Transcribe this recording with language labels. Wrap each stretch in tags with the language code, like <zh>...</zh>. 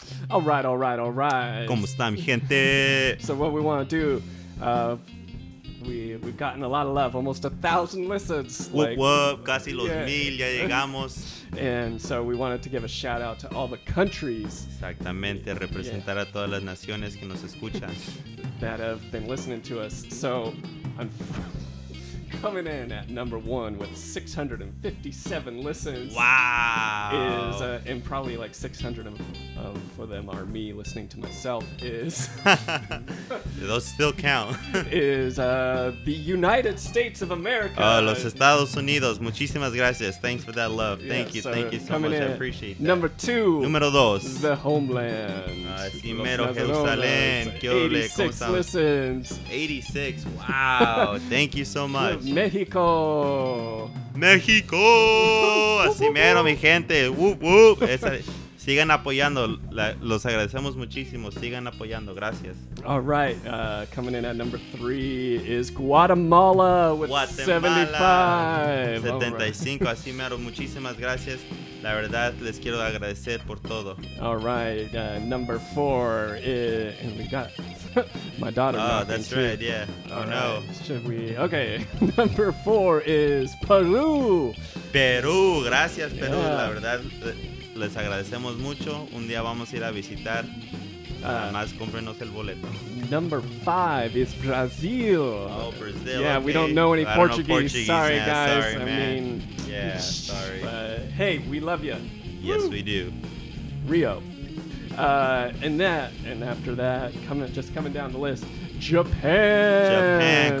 <en>All right, all right, all right.</en> <es>¿Cómo están, gente?</es> <en>So what we want to do, we've gotten a lot of love, almost 1,000 listens.</en> <es>Whoop, casi los mil, ya llegamos.</es> <en>And so we wanted to give a shout out to all the countries.</en> <es>Exactamente, representar a todas las naciones que nos escuchan.</es> <en>That have been listening to us. So I'm coming in at number one with 657 listens. Wow. Is and probably like 600 of them are me listening to myself. Is those still count? Is the United States of America.</en> <es>Los Estados Unidos. Muchísimas gracias.</es> <en>Thanks for that love. Yeah, thank you. So thank you so much. I appreciate that. Number two.</en> <es>Número dos.</es> <en>The homeland.</en> <es>Primero Jerusalén.</es> <en>86 listens. 86. Wow. Thank you so much.</en> <es>México. México. Así mero, mi gente. Woop, woop. Sigan apoyando. Los agradecemos muchísimo. Sigan apoyando. Gracias.</es> <en>All right. Coming in at number three is Guatemala with Guatemala. 75.</en> <es>75. Right. Así mero. Muchísimas gracias. La verdad, les quiero agradecer por todo.</es> <en>All right. Number four. And we got my daughter. Oh, that's too. Right. Yeah. No. Should we? Okay. Number four is Peru.</en> <es>Peru. Gracias, Peru. Yeah. La verdad, les agradecemos mucho. Un día vamos a ir a visitar. Además, cómprenos el boleto.</es> <en>Number five is Brazil. Oh, Brazil. Yeah, okay. We don't know any Portuguese. Know Portuguese. Sorry, yeah, guys. Sorry, man. I mean, yeah, sorry. But, hey, we love you. Yes, woo! We do. Rio. And after that, coming down the list, Japan.</en>